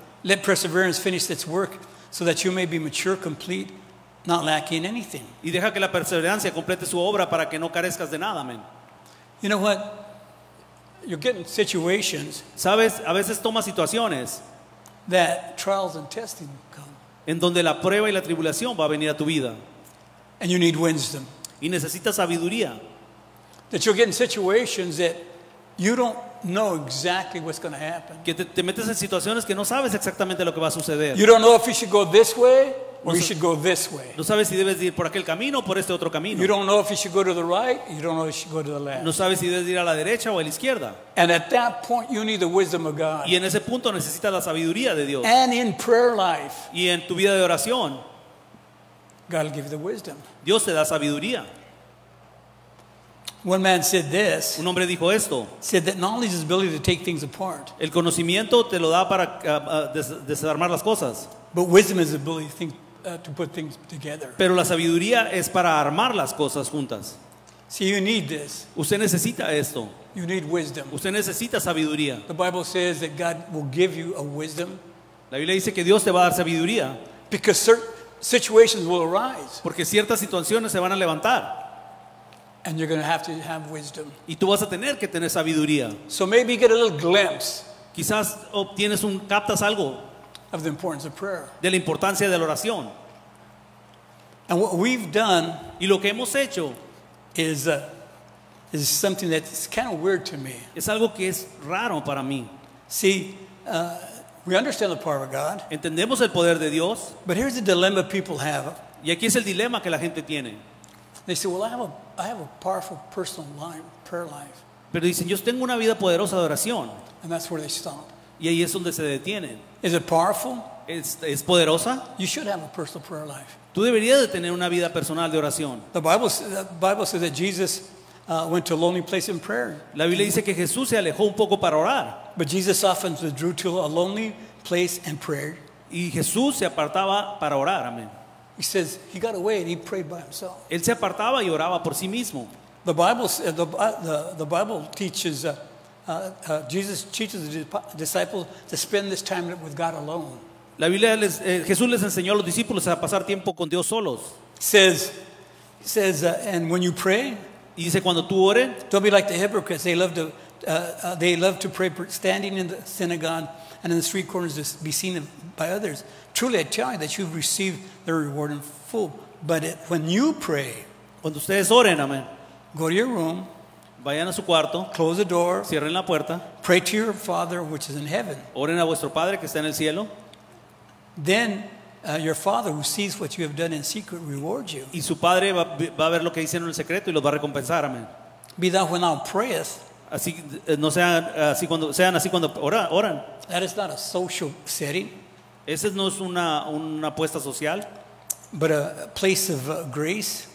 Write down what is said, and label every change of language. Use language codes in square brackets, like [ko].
[en] Let perseverance finish its work, so that you may be mature, complete, not lacking anything. [es] Y deja que la perseverancia complete su obra para que no carezcas de nada, amén. [en] You know what? You're getting situations. [es] Sabes, a veces toma situaciones. [en] That trials and testing come. [es] En donde la prueba y la tribulación va a venir a tu vida. [en] And you need wisdom. [es] Y necesitas sabiduría. [en] That you're getting situations that you don't know exactly what's going to happen. [es] Que te metes en situaciones que no sabes exactamente lo que va a suceder. [en] You don't know if you should go this way or you should go this way. [es] No sabes si debes ir por aquel camino o por este otro camino. [en] You don't know if you should go to the right, you don't know if you should go to the left. [es] No sabes si debes ir a la derecha o a la izquierda. [en] And at that point you need the wisdom of God. [es] Y en ese punto necesitas la sabiduría de Dios. [en] And in prayer life, [es] y en tu vida de oración, [en] God will give you the wisdom. [es] Dios te da sabiduría. [en] One man said this. [es] Un hombre dijo esto. [en] Said that knowledge is ability to take things apart. [es] El conocimiento te lo da para desarmar las cosas. [en] But wisdom is ability to put things together. [es] Pero la sabiduría es para armar las cosas juntas. [en] See, you need this. [es] Usted necesita esto. [en] You need wisdom. [es] Usted necesita sabiduría. [en] The Bible says that God will give you a wisdom. [es] La Biblia dice que Dios te va a dar sabiduría. [en] Because certain situations will arise. [es] Porque ciertas situaciones se van a levantar. [en] And you're going to have wisdom. [es] Y tú vas a tener que tener sabiduría. [en] So maybe get a little glimpse. [es] Quizás obtienes un captas algo. [en] Of the importance of prayer. [es] De la importancia de la oración. [en] And what we've done. [es] Y lo que hemos hecho. [en] Is something that's kind of weird to me. [es] Es algo que es raro para mí. [en] See, we understand the power of God. [es] Entendemos el poder de Dios. [en] But here's the dilemma people have. [es] Y aquí es el dilema que la gente tiene. [en] They say, "Well, I have a powerful personal life, prayer life." [es] Pero dicen, yo tengo una vida poderosa de oración. [en] And that's where they stop. [es] Y ahí es donde se detienen. [en] Is it powerful? [es] ¿Es poderosa? [en] You should have a personal prayer life. [es] Tú deberías de tener una vida personal de oración. [en] The Bible says that Jesus went to a lonely place in prayer. [es] La Biblia dice que Jesús se alejó un poco para orar. [en] But Jesus often withdrew to a lonely place and prayed. [es] Y Jesús se apartaba para orar. Amén. [en] He says he got away and he prayed by himself. [es] Él se apartaba y oraba por sí mismo. [en] The Bible teaches Jesus teaches the disciples to spend this time with God alone. [es] La Biblia les Jesús les enseñó a los discípulos a pasar tiempo con Dios solos. [en] Says and when you pray, [es] y dice cuando tú ores, [en] don't be like the hypocrites. They love to pray standing in the synagogue and in the street corners to be seen by others. Truly I tell you that you've received the reward in full. But when you pray, [es] cuando ustedes oren, amén, [en] go to your room, [es] vayan a su cuarto, [en] close the door, [es] cierren la puerta, [en] pray to your Father which is in heaven. [es] Oren a vuestro Padre que está en el cielo. [en] Then your Father who sees what you have done in secret rewards you. [es] Y su Padre va a ver lo que hicieron en el secreto y los va a recompensar, amén. [en] Be that when thou prayest. [es] Así no sean así cuando sean así cuando oran. [en] That is not a social setting. [es] Ese no es una apuesta social. [en] But a place of grace.